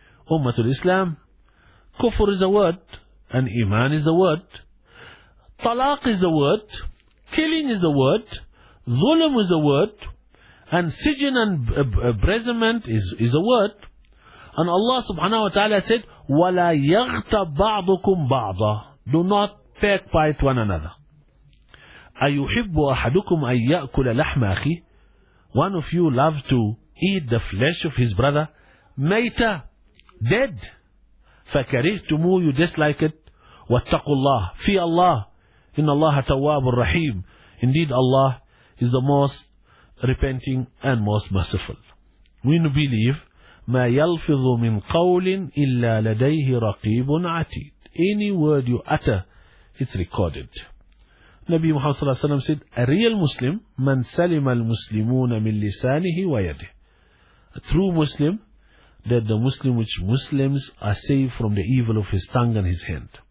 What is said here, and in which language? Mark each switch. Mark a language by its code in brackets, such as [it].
[en] Ummatul Islam, kufr is a word, and iman is a word, talaq is a word, killing is a word, zulm is a word, and sijin and imprisonment is a word. And Allah subhanahu wa ta'ala said, [ar] وَلَا يَغْتَبْ بَعْضُكُمْ بَعْضًا. [en] Do not backbite one another. [ar] أَيُحِبُّ أَحَدُكُمْ أَن يَأْكُلَ لَحْمَ أَخِيهِ. [en] One of you loves to eat the flesh of his brother, mayta, dead. [ar] فَكَرِهْتُمُ, [en] you dislike it. [ar] وَاتَّقُوا اللَّهِ, [en] fear Allah. [ar] إِنَّ اللَّهَ تَوَّابُ الرَّحِيمُ. [en] Indeed Allah is the most repenting and most merciful. We believe, [ar] مَا يَلْفِظُ مِنْ قَوْلٍ إِلَّا لَدَيْهِ رَقِيبٌ عَتِيدٌ. [en] Any word you utter, it's recorded. Nabi Muhammad sallallahu alaihi wasallam said, a real Muslim, [ar] man salima al-muslimuna min lisanihi wa yadih. [en] A true Muslim, that the Muslim which Muslims are saved from the evil of his tongue and his hand.